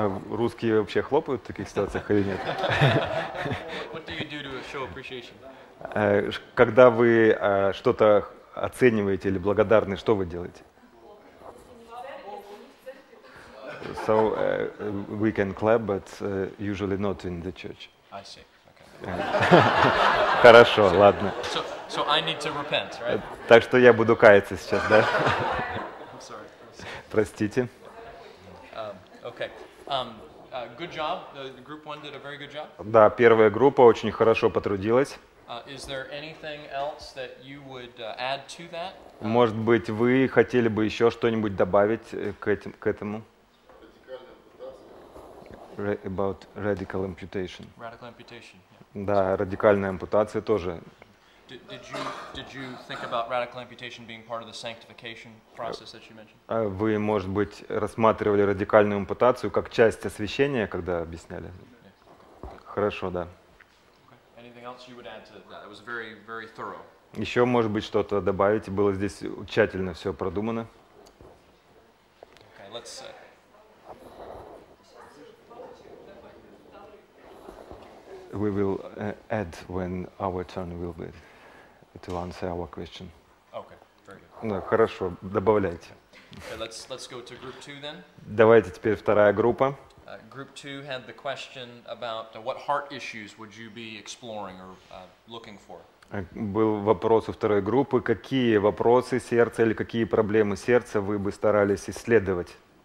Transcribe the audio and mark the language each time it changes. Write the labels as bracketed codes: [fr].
[ru] Русские вообще хлопают в таких ситуациях или нет? Когда вы что-то оцениваете или благодарны, что вы делаете? [en] So we can clap, but usually not in the church. I see. Okay. [ru] Хорошо, ладно. [en] So I need to repent, right? [ru] Так что я буду каяться сейчас, да? [en] Sorry. [ru] Простите. [en] Okay. Good job. The group one did a very good job. [ru] Да, первая группа очень хорошо потрудилась. [en] Is there anything else that you would add to that? [ru] Может быть, вы хотели бы еще что-нибудь добавить к этому? [en] About radical amputation. Radical amputation. Yeah. [ru] Да, радикальная ампутация тоже. [en] Did you think about radical amputation being part of the sanctification process that you mentioned? [ru] Вы, может быть, рассматривали радикальную ампутацию как часть освящения, когда объясняли? Хорошо, да. [en] Okay. Anything else you would add to that? It was very, very thorough. [ru] Еще, может быть, что-то добавить? Было здесь тщательно все продумано. [en] Okay, let's. We will add when our turn will be to answer our question. Okay, very good. [ru] Да, хорошо, добавляйте. [en] Okay, let's go to group two then. [ru] Давайте теперь вторая группа. [en] Group two had the question about what heart issues would you be exploring or looking for? [ru] Был вопрос у второй группы, какие вопросы сердца или какие проблемы сердца вы бы старались исследовать?